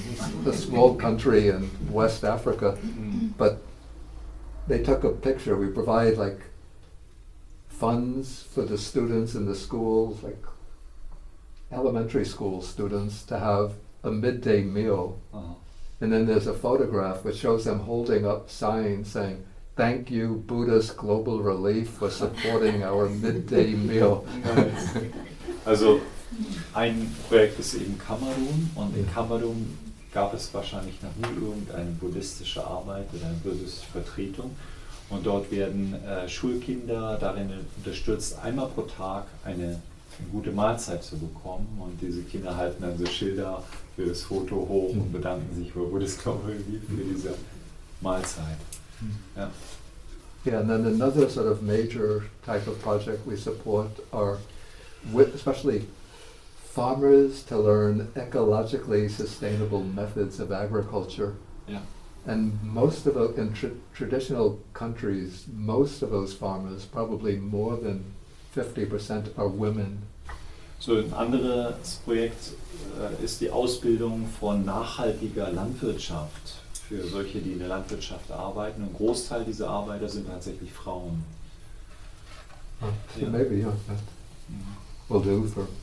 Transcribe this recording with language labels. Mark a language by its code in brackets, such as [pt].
[en] It's a small country in West Africa. But they took a picture. We provide like funds for the students in the schools, like elementary school students, to have a midday meal. Uh-huh. And then there's a photograph which shows them holding up signs saying, "Thank you, Buddhist Global Relief, for supporting our midday meal." [de] Also, ein Projekt ist eben Kamerun, und in Kamerun gab es wahrscheinlich noch nie irgendeine buddhistische Arbeit oder eine buddhistische Vertretung. Und dort werden Schulkinder darin unterstützt, einmal pro Tag eine gute Mahlzeit zu bekommen. Und diese Kinder halten dann so Schilder für das Foto hoch und bedanken sich bei Buddhist Community für diese Mahlzeit. Ja. [en] Yeah, and then another sort of major type of project we support are with, especially farmers to learn ecologically sustainable methods of agriculture. Yeah. And most of those, in traditional countries, most of those farmers, probably more than 50%, are women. [de] So ein anderes Projekt ist die Ausbildung von nachhaltiger Landwirtschaft für solche, die in der Landwirtschaft arbeiten. Und Großteil dieser Arbeiter sind tatsächlich Frauen. [en] Yeah. Maybe, yeah, that will do for.